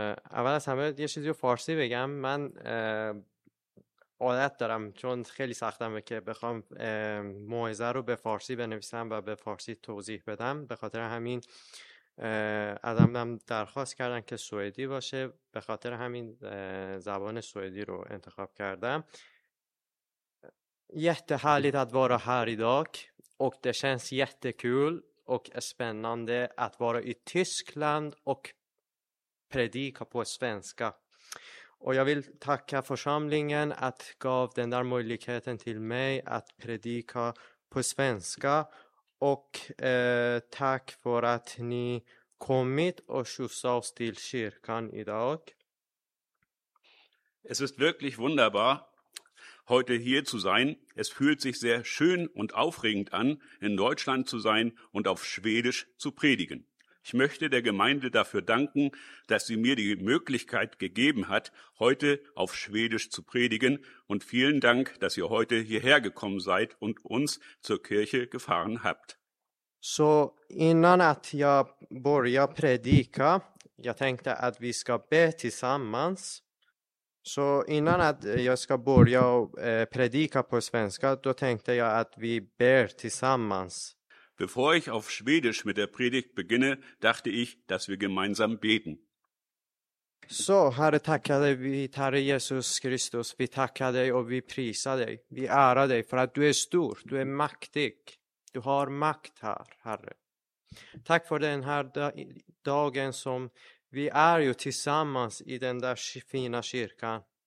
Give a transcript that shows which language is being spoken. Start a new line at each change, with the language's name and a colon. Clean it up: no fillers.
Persian: اول از همه یه چیزی رو فارسی بگم. من عادت دارم، چون خیلی سختمه که بخوام موعظه رو به فارسی بنویسم و به فارسی توضیح بدم. به خاطر همین ازم هم درخواست کردن که سوئدی باشه، به خاطر همین زبان سوئدی رو انتخاب کردم.
Swedish: Jättehärligt att vara här idag och det känns jättekul och spännande att vara i Tyskland och predika på svenska. Och jag vill tacka församlingen att gav den där möjligheten till mig att predika på svenska. Och tack för att ni kommit och skjutsat oss till kyrkan idag.
German: Es ist wirklich wunderbar, heute hier zu sein. Es fühlt sich sehr schön und aufregend an, in Deutschland zu sein und auf Schwedisch zu predigen. Ich möchte der Gemeinde dafür danken, dass sie mir die Möglichkeit gegeben hat, heute auf Schwedisch zu predigen. Und vielen Dank, dass ihr heute hierher gekommen seid und uns zur Kirche gefahren habt.
Swedish: So, innan att jag börjar predika, jag tänkte att vi ska be tillsammans. Så innan att jag ska börja predika på svenska, då tänkte jag att vi ber tillsammans.
German: Bevor ich auf Schwedisch mit der Predigt beginne, dachte ich, dass wir gemeinsam beten.
Swedish: Så Herre, tackar dig, vi tar Jesus Kristus, vi tackar dig och vi prisar dig. Vi ärar dig för att du är stor, du är mäktig. Du har makt här, Herre. Tack för den här dagen som vi är ju tillsammans i den där fina kyrkan.